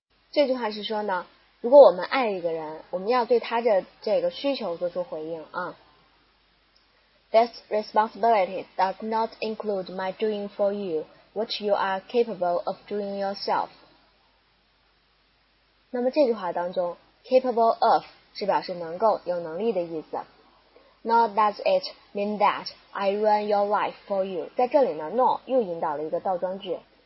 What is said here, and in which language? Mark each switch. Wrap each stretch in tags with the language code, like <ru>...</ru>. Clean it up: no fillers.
<zh>这句话是说呢，如果我们爱一个人，我们要对他这个需求做出回应啊。</zh> <en>This responsibility does not include my doing for you what you are capable of doing yourself.</en> <zh>那么这句话当中 ，</zh> <en>capable of</en> <zh>是表示能够、有能力的意思。</zh> <en>Nor does it mean that I run your life for you.</en> <zh>在这里呢 ，nor 又引导了一个倒装句。</zh>